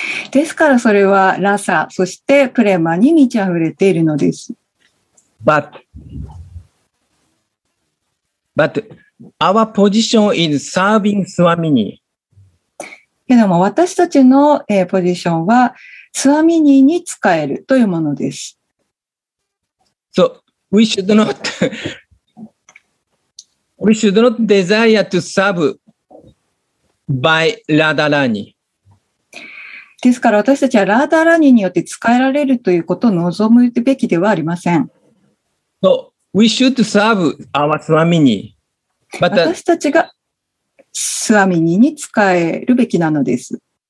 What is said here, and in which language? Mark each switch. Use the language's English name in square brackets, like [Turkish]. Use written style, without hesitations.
[Japanese] ですからそれはラサ、そしてプレマに満ち溢れているのです。 [English] But our position is serving Swamini. [Japanese] けども私たちのポジションはスワミニに使えるというものです。 [English] So we should not desire to serve by Radharani. [Japanese] ですから私たちはラダラニによって使えられるということを望むべきではありません。 [English] So we should serve our Swamini. [Japanese] But, 私たちがスワミニに使えるべきなのです。